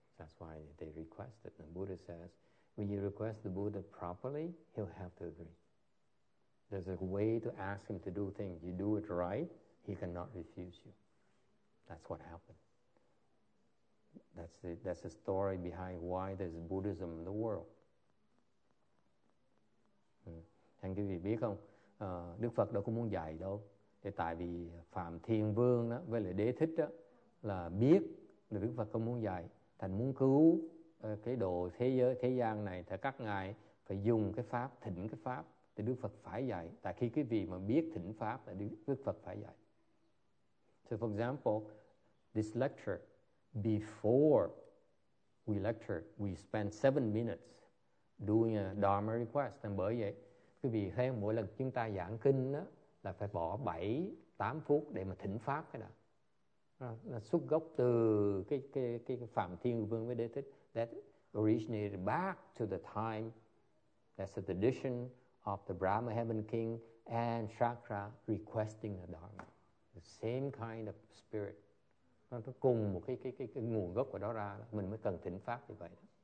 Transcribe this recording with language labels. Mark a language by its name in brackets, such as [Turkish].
[English] That's why they requested. And the Buddha says, when you request the Buddha properly, he'll have to agree. There's a way to ask him to do things. You do it right, he cannot refuse you. That's what happened. That's the story behind why there's Buddhism in the world. Thank you, [Vietnamese] biết không? Đức Phật đâu có muốn dạy đâu. Thì tại vì Phạm Thiên Vương đó, với lại Đế Thích đó, là biết Đức Phật không muốn dạy. Thành muốn cứu cái độ thế giới, thế gian này, thì các ngài phải dùng cái pháp, thỉnh cái pháp, thì Đức Phật phải dạy. Tại khi cái vị mà biết thỉnh pháp, thì Đức Phật phải dạy. [English] So for example, this lecture, before we lecture, we spend 7 minutes doing a Dharma request. [Vietnamese] Thành bởi vậy, cái vị thấy mỗi lần chúng ta giảng kinh đó, là phải bỏ 7-8 phút để mà thỉnh pháp cái đó. Là xuất gốc từ cái Phạm Thiên Vương với Đế Thích. [English] That originated back to the time, that's the tradition of the Brahma Heaven King and Chakra requesting the Dharma. The same kind of spirit. [Vietnamese] Nó cùng một cái nguồn gốc của đó ra, đó. Mình mới cần thỉnh pháp như vậy. Đó.